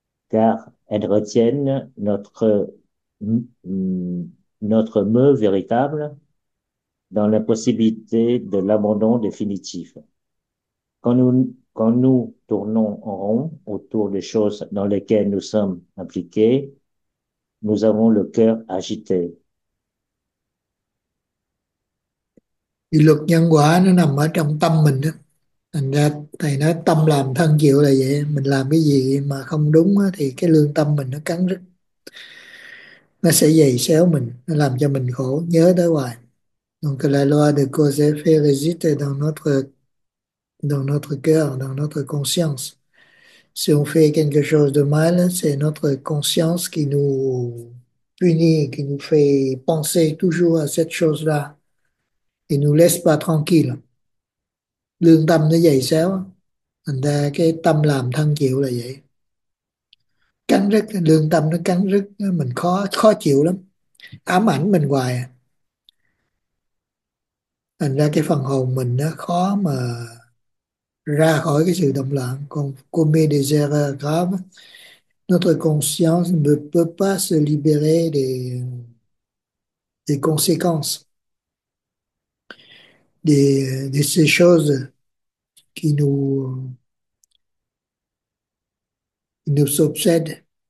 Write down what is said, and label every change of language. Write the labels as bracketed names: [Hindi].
[French] car elles retiennent notre me véritable dans l'impossibilité de l'abandon définitif. Quand nous tournons en rond autour des choses dans lesquelles nous sommes impliqués, nous avons le cœur agité. [Vietnamese] Vì luật nhân quả nó nằm ở trong tâm mình đó. Thành ra thầy nói tâm làm thân chịu là vậy. Mình làm cái gì mà không đúng đó, thì cái lương tâm mình nó cắn rứt. Nó sẽ giày xéo mình, nó làm cho mình khổ, nhớ tới hoài. [French] Donc la loi de cause et effet résiste dans notre cœur, dans notre conscience. Si on fait quelque chose de mal, c'est notre conscience qui nous punit, qui nous fait penser toujours à cette chose-là. Il nous laisse pas tranquille. [Vietnamese] Lương tâm nó dày xéo. Thành ra cái tâm làm thân chịu là vậy. Cắn rứt, lương tâm nó cắn rứt. Mình khó khó chịu lắm. Ám ảnh mình hoài. Thành ra cái phần hồn mình nó khó mà ra khỏi cái sự động loạn. [French] Còn comme des erreurs graves, notre conscience ne peut pas se libérer des conséquences. De ces choses qui nous obsèdent.